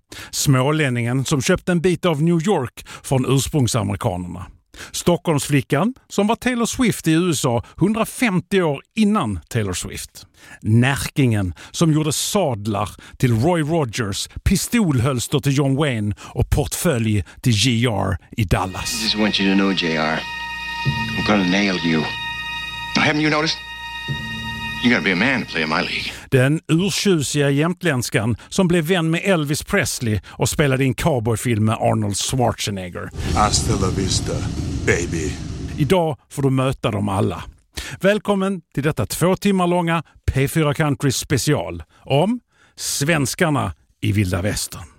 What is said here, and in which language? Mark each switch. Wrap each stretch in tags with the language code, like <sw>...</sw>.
<sv>Smålänningen som köpte en bit av New York från ursprungsamerikanerna. Stockholmsflickan som var Taylor Swift i USA 150 år innan Taylor Swift. Närkingen som gjorde sadlar till Roy Rogers, pistolhölster till John Wayne och portfölj till JR i Dallas.</sv> <en>I just want you to know, JR, I'm gonna nail you. Haven't you noticed? You gotta be a man to play in my league.</en> <sv>Den urtjusiga jämtländskan som blev vän med Elvis Presley och spelade in cowboyfilm med Arnold Schwarzenegger.</sv> <es>Hasta la vista, baby.</es> <sv>Idag får du möta dem alla. Välkommen till detta 2 timmar långa P4 Country special om svenskarna i vilda västern.</sv>